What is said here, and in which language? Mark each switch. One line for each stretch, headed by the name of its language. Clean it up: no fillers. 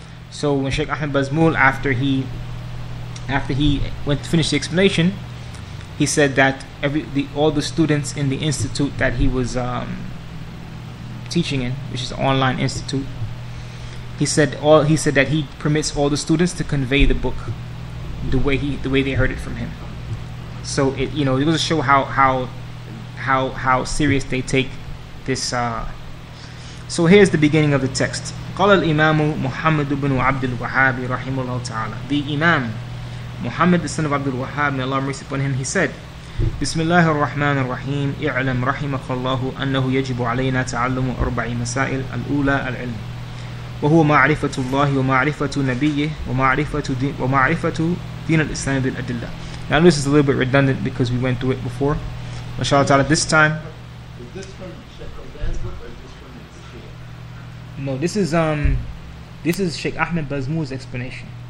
English: So when Sheikh Ahmed Bazmul, after he finished the explanation, he said that all the students in the institute that he was teaching in, which is an online institute, he said that he permits all the students to convey the book the way they heard it from him. So it was to show how serious they take this. So here's the beginning of the text.
Arabic: قال الإمام محمد بن عبد الوهاب رحمه الله تعالى.
English: The Imam Muhammad, the son of Abdul Wahhab, may Allah mercy upon him, he said,
Arabic: بسم الله الرحمن الرحيم اعلم رحمك الله أنه يجب علينا تعلم أربع مسائل الأولى العلم وهو معرفة الله ومعرفة نبيه ومعرفة دين الإسلام بالأدلة.
English: Now this is a little bit redundant because we went through it before. MashaAllah ta'ala, this time. Is this from Sheikh Al-Bazmul or is this from Sheikh? No, this is Sheikh Ahmed Bazmul's explanation.